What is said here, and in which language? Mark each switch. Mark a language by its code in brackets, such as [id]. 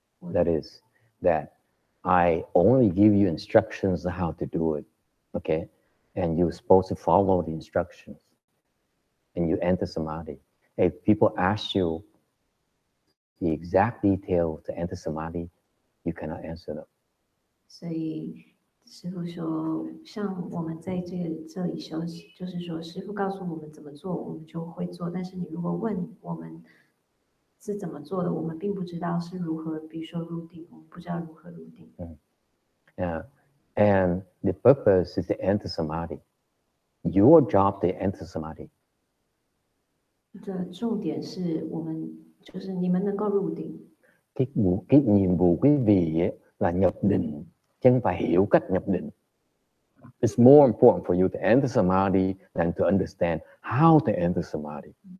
[en] That is that I only give you instructions on how to do it, okay? And you're supposed to follow the instructions and you enter samadhi. If people ask you the exact detail to enter samadhi, you cannot answer them. [zh] So, 师父说，像我们在这里休息，就是说， 师父告诉我们怎么做，我们就会做。但是你如果问我们是怎么做的， 我们并不知道是如何，比如说入定，我们不知道如何入定。 [en] Yeah. And the purpose is to enter samadhi. Your job to enter samadhi. [zh] 的重点是我们就是你们能够入定。 [vi] Cái nhiệm vụ quý vị là nhập định, chứ phải hiểu cách nhập định. [en] It's more important for you to enter samadhi than to understand how to enter samadhi.